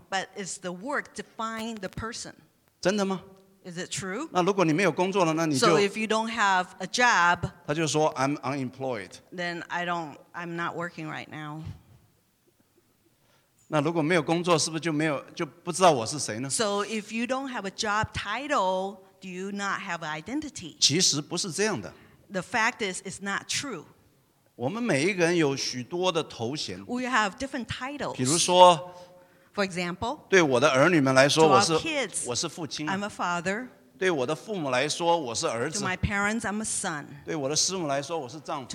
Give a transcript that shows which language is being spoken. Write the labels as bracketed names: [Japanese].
[English] ？But is the work define the person? [Chinese] 真的吗 [English] ？Is it true? [Chinese] 那如果你没有工作了，那你就。 [English] So if you don't have a job. [Chinese] 他就说 [English] I'm unemployed. Then I'm not working right now. [Chinese] 那如果没有工作，是不是就不知道我是谁呢 [English] ？So if you don't have a job title, do you not have an identity? [Chinese] 其实不是这样的。 [English] The fact is, it's not true. [Chinese] 我们每一个人有许多的头衔。 [English] We have different titles. [Chinese] 比如说 [English] ，For example, [Chinese] 对我的儿女们来说， [English] to our kids, [Chinese] 我是父亲。 [English] I'm a father. [Chinese] 对我的父母来说，我是儿子。 [English] To my parents, I'm a son. [Chinese] 对我的师母来说，我是丈夫。